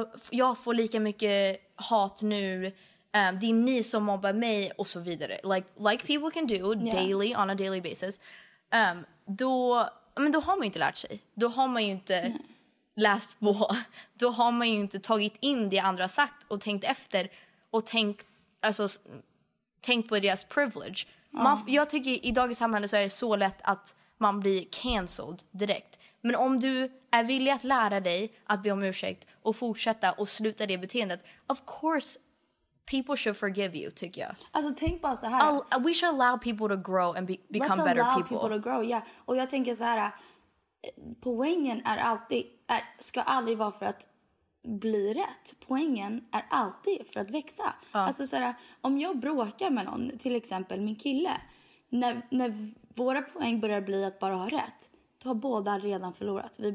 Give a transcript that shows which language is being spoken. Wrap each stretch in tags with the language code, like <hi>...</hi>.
<sv>Jag får lika mycket hat nu. Det är ni som mobbar mig och så vidare.</sv> <en>Like people can do daily, yeah, on a daily basis.</en> <sv>Då har man ju inte lärt sig. Då har man ju inte... Nej. Läst på, då har man ju inte tagit in det andra sagt och tänkt efter och tänkt på deras privilege. Man, jag tycker i dagens samhälle så är det så lätt att man blir cancelled direkt. Men om du är villig att lära dig att be om ursäkt och fortsätta och sluta det beteendet,</sv> <en>of course people should forgive you,</en> <sv>tycker jag. Alltså tänk bara så här.</sv> <en>We should allow people to grow and become better people. Let's allow people to grow, ja.</en> <sv>Och jag tänker så här, poängen är alltid, ska aldrig vara för att bli rätt. Poängen är alltid för att växa. Alltså så här, om jag bråkar med någon, till exempel min kille, när våra poäng börjar bli att bara ha rätt, då har båda redan förlorat.</sv>